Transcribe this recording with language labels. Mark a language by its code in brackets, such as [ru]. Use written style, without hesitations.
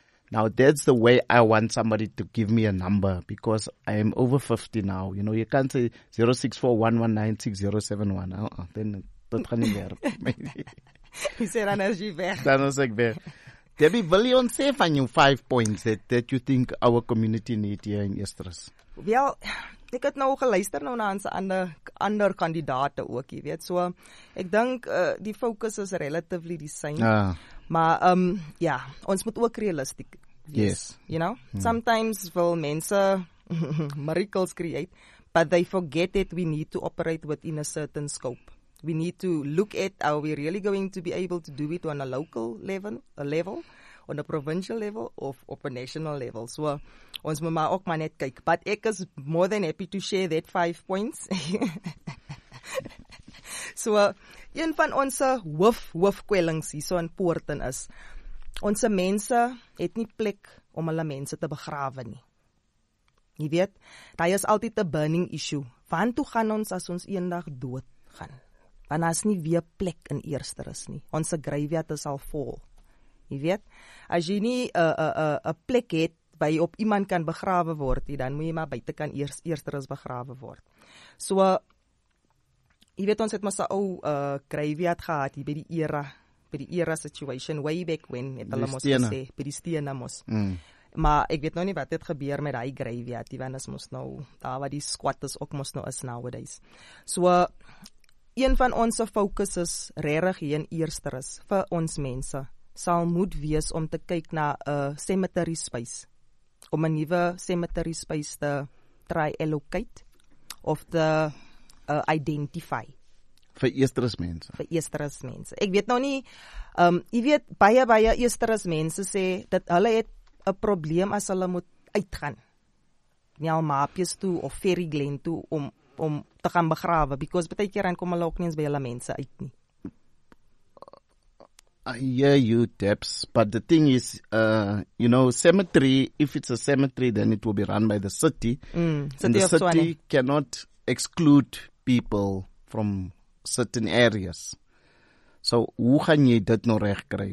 [en] Now, that's the way I want somebody to give me a number because I am over 50 now. You know, you can't say 0-6-4-1-1-9-6-0-7-1. Then, you said, Debbie, will you say find you 5 points that you think our community need here in Estrus? [af] Well, ek het nou geluister nou na ons ander kandidate ook, jy weet. So, ek dink die fokus is [en] relatively the same. Ah. [af] Maar, ja, ons moet ook realistiek wees. [en] Yes. You know? Mm. Sometimes [af] wil mense [en] miracles create, but they forget that we need to operate within a certain scope. We need to look at, are we really going to be able to do it on a local level, on a provincial level, [af] of op [en] a national level. [af] So, ons moet maar ook maar net kyk. [en] But ek is more than happy to share that 5 points. [af] So, een van ons hoofkwellings hier so in Poorten is, ons mense het nie plek om hulle mense te begrawe nie. Jy weet, dit is altyd [en] a burning issue. [af] Want hoe gaan ons as ons eendag dood gaan? Want daar is nie weer plek in Eersteris nie. Ons graveyard is al vol. Jy weet, as jy nie plek het, waar jy op iemand kan begrawe word, dan moet jy maar buite kan Eersteris begrawe word. So, jy weet, ons het maar sy ou graveyard gehad, hier by die era situation, [en] way back when, [af] het hulle mos gesê, by die stene mos. Mm. Maar ek weet nou nie wat het gebeur met die graveyard, want is mos nou, daar waar die squat is ook mos nou is nowadays. So, een van ons focus is rarig hier in Eersteris, vir ons mense, sal moet wees om te kyk na cemetery space, om 'n nuwe cemetery space te try allocate, of te identify. Vir Eersteris mense? Vir Eersteris mense. Ek weet nou nie, jy weet, baie Eersteris mense sê, dat hulle het 'n probleem as hulle moet uitgaan, nie al Maapjes toe, of Ferry Glen toe, om te gaan begrawe, because baie keer kom hulle ook nie eens by hulle mense uit nie. [en] I hear you, Debs, but the thing is, you know, cemetery, if it's a cemetery, then it will be run by the city. Mm, and the city cannot exclude people from certain areas. [af] So, hoe gaan jy dit nou reg kry?